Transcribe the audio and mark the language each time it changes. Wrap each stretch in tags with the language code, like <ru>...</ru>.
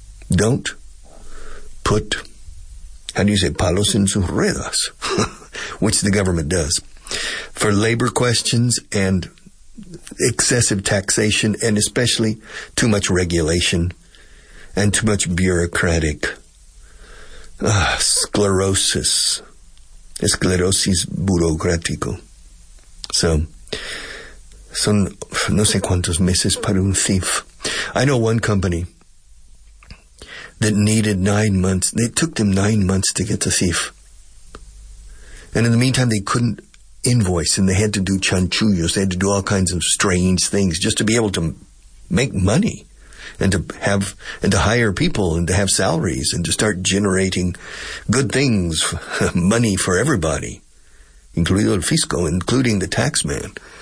<en>Don't put, how do you say,</en> <es>palos en sus ruedas,</es> <en>which the government does, for labor questions and excessive taxation and especially too much regulation and too much bureaucratic sclerosis.</en> <es>Esclerosis burocrático. So, son no sé cuántos meses para un thief.</es> <en>I know one company that needed 9 months. It took them 9 months to get the thief. And in the meantime, they couldn't invoice and they had to do chanchullos. They had to do all kinds of strange things just to be able to make money and to hire people and to have salaries and to start generating good things, money for everybody,</en> <es>incluido el fisco,</es> <en>including the tax man.</en>